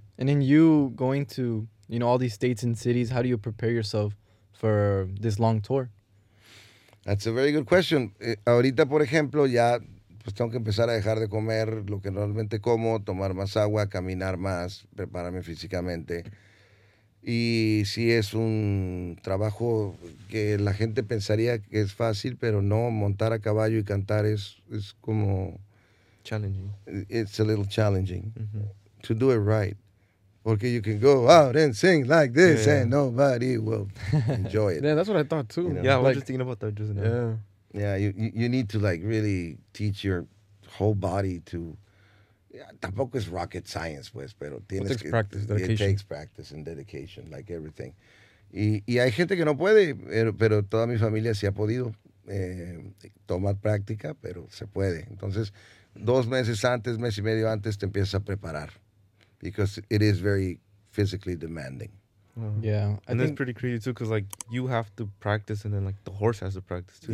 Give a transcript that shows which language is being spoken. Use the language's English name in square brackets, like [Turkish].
[English] And in you going to, you know, all these states and cities, how do you prepare yourself for this long tour? That's a very good question. [Spanish] Ahorita, por ejemplo, ya pues tengo que empezar a dejar de comer lo que normalmente como, tomar más agua, caminar más, prepararme físicamente. Y sí es un trabajo que la gente pensaría que es fácil, pero no, montar a caballo y cantar es como... [English] Challenging. It's a little challenging. Mm-hmm. To do it right. Porque you can go out and sing like this yeah. and nobody will enjoy it. Yeah, that's what I thought too. You know? Yeah, like, I was just thinking about that just now. Yeah. Yeah, you need to like really teach your whole body to. [Spanish] Yeah, tampoco es rocket science, pues, pero tienes [English] it takes [Spanish] que, [English] practice, dedication. It takes practice and dedication, like everything. [Spanish] Y hay gente que no puede, pero toda mi familia sí ha podido tomar práctica, pero se puede. Entonces, dos meses antes, mes y medio antes, te empiezas a preparar. [English] Because it is very physically demanding. Uh-huh. Yeah. And that's pretty crazy too, because like you have to practice and then like the horse has to practice too.